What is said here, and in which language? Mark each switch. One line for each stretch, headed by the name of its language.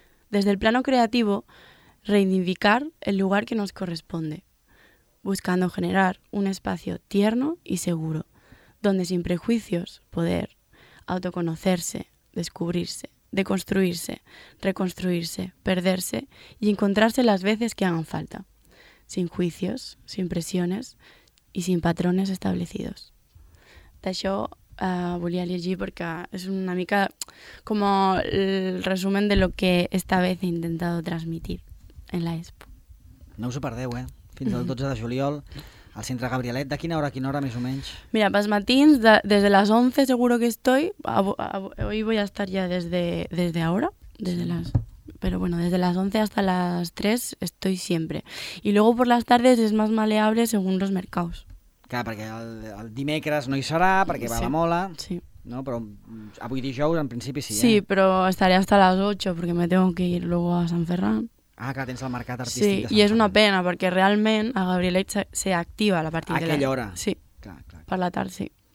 Spanish: Desde el plano creativo, reivindicar el lugar que nos corresponde, buscando generar un espacio tierno y seguro, donde sin prejuicios poder autoconocerse, descubrirse, deconstruirse, reconstruirse, perderse y encontrarse las veces que hagan falta, sin juicios, sin presiones, i sin patrones establecidos.
Catalan: D'això volia llegir perquè és una mica com
Spanish: el resumen de lo que esta vez he intentado transmitir en la Expo.
Catalan: No us ho perdeu, eh? Fins al 12 de juliol al Centre Gabrielet. De quina hora a quina hora, més o menys? Mira, pels matins, des de les 11
Spanish: seguro que estoy. Hoy voy a estar ya desde ahora, desde las... Pero bueno, desde las 11 hasta las 3 estoy siempre. Y luego por las tardes es más maleable según los mercados. Claro, porque
Catalan: el dimecres no hi serà,
Spanish: porque va a la Mola. Sí.
Catalan: No, però avui dijous en principi sí,
Spanish: Sí, però estaré hasta las 8 perquè me tengo que ir luego a Sant Ferran.
Catalan: Ah, que tens el mercat artístic sí, de Sant Ferran. Sí, i és una pena perquè realment a Gabrielet se activa a la partida. A aquella hora? Sí, clar. Per la tarda, sí.